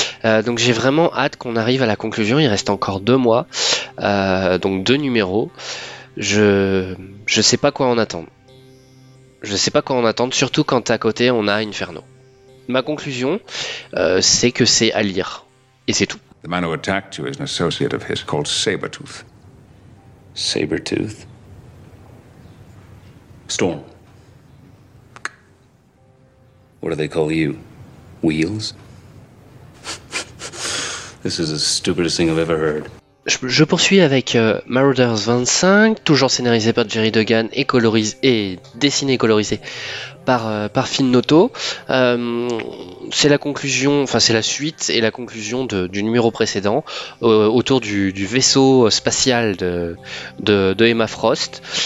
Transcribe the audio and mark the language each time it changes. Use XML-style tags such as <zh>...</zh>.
<fr>Donc j'ai vraiment hâte qu'on arrive à la conclusion. Il reste encore 2 mois, donc 2 numéros. Je sais pas quoi en attendre. Je sais pas quoi en attendre, surtout quand à côté on a Inferno. Ma conclusion, c'est que c'est à lire. Et c'est tout.</fr> <en>The man who attacked you is an associate of his called Sabretooth. Sabretooth? Storm. What do they call you? Wheels? This is the stupidest thing I've ever heard.</en> <fr>Je poursuis avec Marauders 25, toujours scénarisé par Jerry Duggan et dessiné et colorisé par Finn Noto. C'est la conclusion, enfin c'est la suite et la conclusion du numéro précédent autour du vaisseau spatial de Emma Frost.</fr>